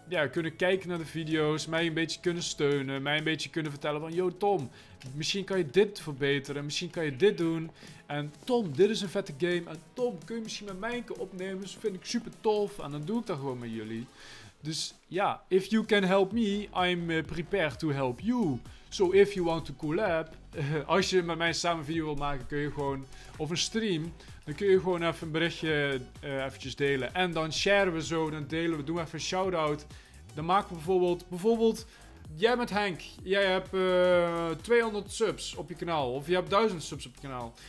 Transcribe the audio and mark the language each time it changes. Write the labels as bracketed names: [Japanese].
[Dutch] kunnen kijken naar de video's, mij een beetje kunnen steunen, mij een beetje kunnen vertellen van, yo Tom, misschien kan je dit verbeteren, misschien kan je dit doen, en Tom, dit is een vette game, en Tom, kun je misschien met mij een keer opnemen, dat vind ik super tof, en dan doe ik dat gewoon met jullie. Dus ja, [English] yeah, if you can help me, I'm prepared to help you. So if you want to collab, [Dutch] als je met mij samen een video wil maken, kun je gewoon, of een stream, dan kun je gewoon even een berichtje eventjes delen. En dan sharen we zo, dan delen we, doen we even een shout-out. Dan maken we bijvoorbeeld, jij met Henk, jij hebt 200 subs op je kanaal, of je hebt 1000 subs op je kanaal.